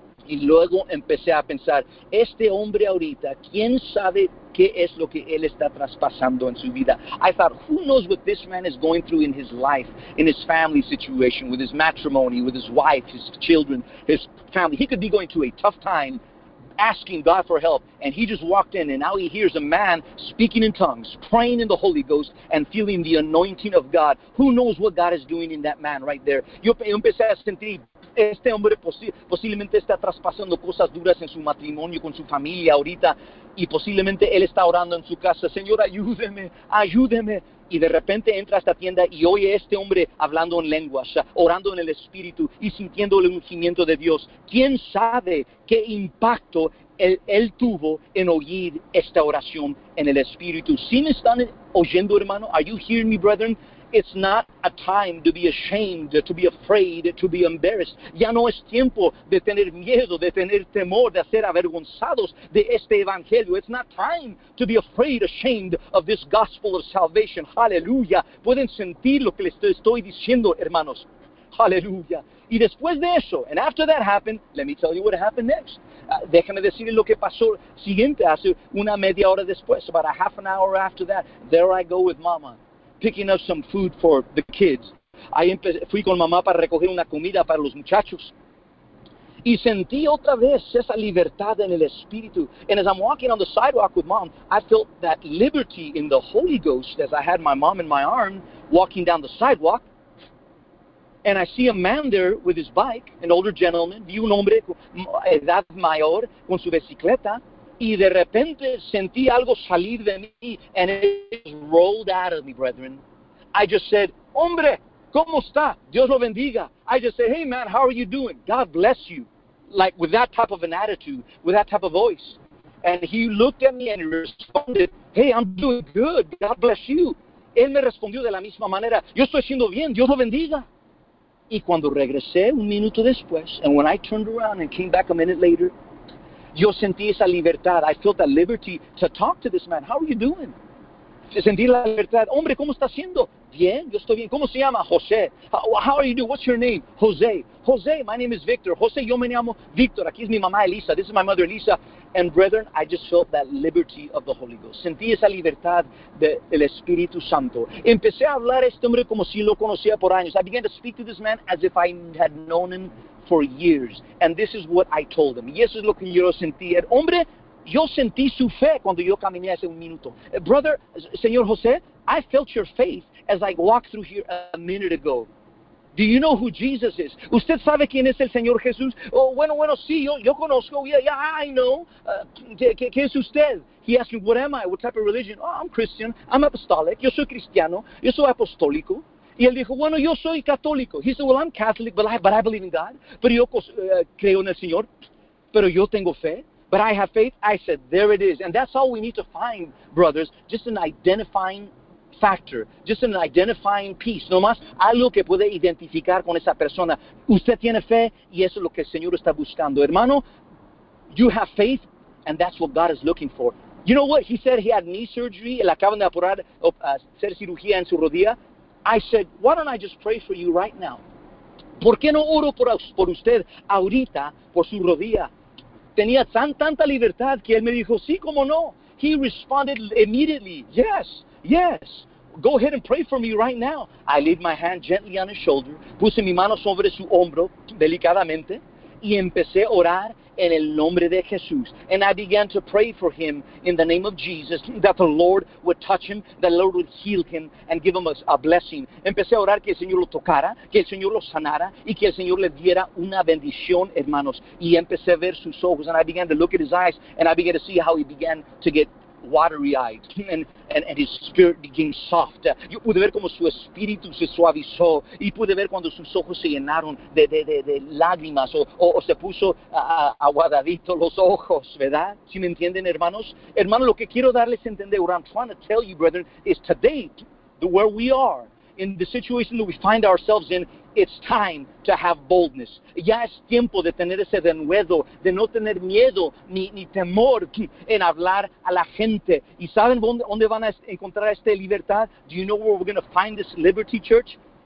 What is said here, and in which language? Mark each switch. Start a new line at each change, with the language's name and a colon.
Spanish: Y luego empecé a pensar, este hombre ahorita, ¿quién sabe qué es lo que él está traspasando en su vida?
English: I thought, who knows what this man is going through in his life, in his family situation, with his matrimony, with his wife, his children, his family. He could be going through a tough time asking God for help, and he just walked in, and now he hears a man speaking in tongues, praying in the Holy Ghost, and feeling the anointing of God. Who knows what God is doing in that man right there?
Spanish: Yo empecé a sentir, este hombre posiblemente está traspasando cosas duras en su matrimonio, con su familia ahorita, y posiblemente él está orando en su casa. Señor, ayúdeme, ayúdeme. Y de repente entra a esta tienda y oye a este hombre hablando en lenguas, orando en el Espíritu y sintiendo el ungimiento de Dios. ¿Quién sabe qué impacto él tuvo en oír esta oración en el Espíritu? ¿Sí me están oyendo, hermano?
English: Are you hearing me, brethren? It's not a time to be ashamed, to be afraid, to be embarrassed.
Spanish: Ya no es tiempo de tener miedo, de tener temor, de ser avergonzados de este evangelio.
English: It's not time to be afraid, ashamed of this gospel of salvation. Hallelujah.
Spanish: Pueden sentir lo que les estoy diciendo, hermanos.
English: Hallelujah.
Spanish: Y después de eso,
English: and after that happened, let me tell you what happened next.
Spanish: Déjame decirle lo que pasó siguiente, hace una media hora después,
English: about a half an hour after that, there I go with mama, picking up some food for the kids.
Spanish: Fui con mamá para recoger una comida para los muchachos. Y sentí otra vez esa libertad en el Espíritu.
English: And as I'm walking on the sidewalk with mom, I felt that liberty in the Holy Ghost as I had my mom in my arm walking down the sidewalk. And I see a man there with his bike, an older gentleman.
Spanish: Vi un hombre de edad mayor con su bicicleta. Y de repente sentí algo salir de mí,
English: and it just rolled out of me, brethren. I just said,
Spanish: hombre, ¿cómo está? Dios lo bendiga.
English: I just said, hey, man, how are you doing? God bless you. Like with that type of an attitude, with that type of voice. And he looked at me and responded, hey, I'm doing good. God bless you.
Spanish: Él me respondió de la misma manera. Yo estoy haciendo bien. Dios lo bendiga. Y cuando regresé un minuto después,
English: and when I turned around and came back a minute later,
Spanish: yo sentí esa libertad.
English: I felt that liberty to talk to this man. How are you doing?
Spanish: Sentí la libertad. Hombre, ¿cómo está haciendo? Bien, yo estoy bien. ¿Cómo se llama? José.
English: How are you doing? What's your name?
Spanish: José. José,
English: my name is Victor.
Spanish: José, yo me llamo Victor. Aquí es mi mamá Elisa.
English: This is my mother Elisa. And brethren, I just felt that liberty of the Holy Ghost.
Spanish: Sentí esa libertad del Espíritu Santo. Empecé a hablar a este hombre como si lo conocía por años.
English: I began to speak to this man as if I had known him for years. And this is what I told him.
Spanish: Y eso es lo que yo sentí. El hombre, yo sentí su fe cuando yo caminé hace un minuto.
English: Brother, señor José, I felt your faith as I walked through here a minute ago. Do you know who Jesus is?
Spanish: ¿Usted sabe quién es el Señor Jesús? Oh, bueno, sí, yo conozco.
English: Yeah, I know.
Spanish: ¿Qué es usted?
English: He asked me, what am I? What type of religion? Oh, I'm Christian. I'm apostolic.
Spanish: Yo soy cristiano. Yo soy apostólico. Y él dijo, bueno, yo soy católico.
English: He said, well, I'm Catholic, but I believe in God.
Spanish: Pero yo creo en el Señor. Pero yo tengo fe.
English: But I have faith. I said, there it is. And that's all we need to find, brothers. Just an identifying factor, just an identifying piece,
Spanish: no más, algo que puede identificar con esa persona. Usted tiene fe y eso es lo que el Señor está buscando.
English: Hermano, you have faith and that's what God is looking for. You know what? He said he had knee surgery,
Spanish: le acaban de operar, hacer cirugía en su rodilla.
English: I said, why don't I just pray for you right now?
Spanish: ¿Por qué no oro por usted ahorita, por su rodilla? Tenía tanta libertad que él me dijo, sí, cómo no.
English: He responded immediately, yes. Yes, go ahead and pray for me right now. I laid my hand gently on his shoulder,
Spanish: puse mi mano sobre su hombro delicadamente, y empecé a orar en el nombre de Jesús.
English: And I began to pray for him in the name of Jesus, that the Lord would touch him, that the Lord would heal him and give him a blessing.
Spanish: Empecé a orar que el Señor lo tocara, que el Señor lo sanara, y que el Señor le diera una bendición, hermanos. Y empecé a ver sus ojos,
English: and I began to look at his eyes, and I began to see how he began to get watery eyed, and his spirit became soft.
Spanish: Yo pude ver como su espíritu se suavizó, y pude ver cuando sus ojos se llenaron de lágrimas, o se puso aguadadito los ojos, ¿verdad? ¿Sí me entienden, hermanos? Hermano, lo que quiero darles a entender,
English: what I'm trying to tell you, brethren, is today, where we are, in the situation that we find ourselves in, it's time to have boldness.
Spanish: Ya es tiempo de tener ese denuedo, de no tener miedo ni temor en hablar a la gente. ¿Y saben dónde van a encontrar esta libertad?
English: Do you know where we're going to find this liberty, church?